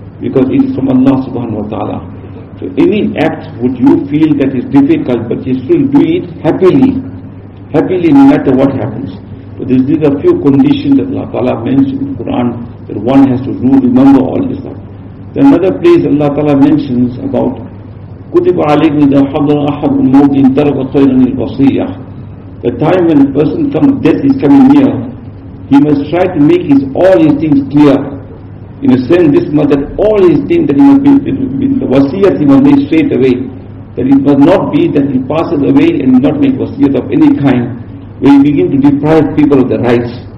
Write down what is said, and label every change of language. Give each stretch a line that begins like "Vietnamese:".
English: Because it is from Allah subhanahu wa ta'ala. So any act which you feel that is difficult, but you still do it happily. Happily no matter what happens. So these are a few conditions that Allah ta'ala mentioned in the Quran, that one has to do, remember all this stuff. Then another place Allah ta'ala mentions about
Arabic: كُتِبَ عَلَيْكُمْ إِذَا حَضَرَ أَحَدٌ مُوْتٍ تَرَكَ خَيْرًا الْوَصِيَّةِ.
English: The time when a person comes, death is coming near, he must try to make his all his things clear. In a sense, this must that all his things that he must be the wasiyat he must make straight away. That it must not be that he passes away and not make wasiyat of any kind, where he begin to deprive people of their rights.